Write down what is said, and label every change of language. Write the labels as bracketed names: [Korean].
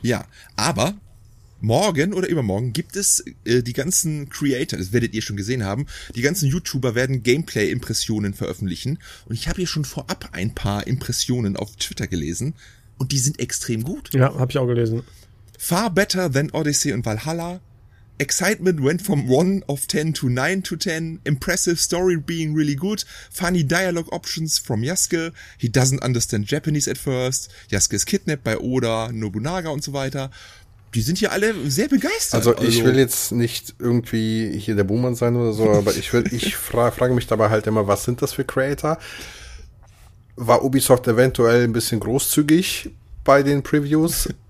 [German] Ja, aber morgen oder übermorgen gibt es die ganzen Creator, das werdet ihr schon gesehen haben, die ganzen YouTuber werden Gameplay-Impressionen veröffentlichen. Und ich habe hier schon vorab ein paar Impressionen auf Twitter gelesen und die sind extrem gut. Ja, habe ich auch gelesen. [English] Far better than Odyssey und Valhalla. Excitement went from 1 of 10 to 9 to 10. Impressive story being really good. Funny dialogue options from Yasuke. He doesn't understand Japanese at first. Yasuke is kidnapped by Oda, Nobunaga [German] und so weiter. Die sind hier alle sehr begeistert. Also ich will jetzt nicht irgendwie hier der Buhmann sein oder so, aber ich frage mich dabei halt immer, was sind das für Creator? War Ubisoft eventuell ein bisschen großzügig bei den Previews?